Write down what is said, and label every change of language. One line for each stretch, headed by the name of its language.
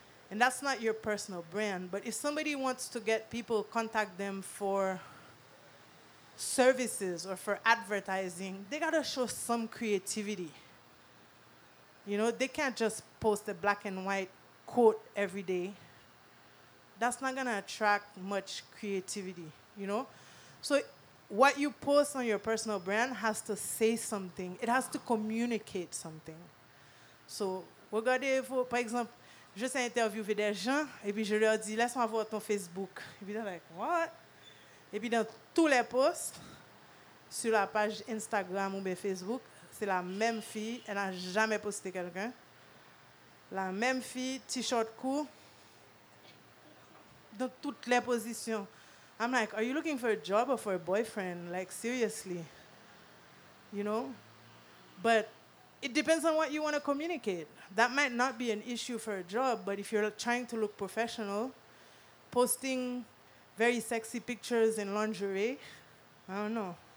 English: And that's not your personal brand. But if somebody wants to get people contact them for services or for advertising, they got to show some creativity. You know, they can't just post a black and white quote every day. That's not going to attract much creativity, you know? So what you post on your personal brand has to say something. It has to communicate something.
French: So, regardez-vous, par exemple, je sais interviewer des gens, et puis je leur dis, laisse-moi voir ton Facebook. Et puis,
English: they're like, what?
French: Et puis, dans tous les posts, sur la page Instagram ou bien Facebook, c'est la même fille, elle n'a jamais posté quelqu'un. La même fille, t-shirt court, dans toutes les positions.
English: I'm like, are you looking for a job or for a boyfriend? Like, seriously. You know? But it depends on what you want to communicate. That might not be an issue for a job, but if you're trying to look professional, posting very sexy pictures in lingerie, I don't know.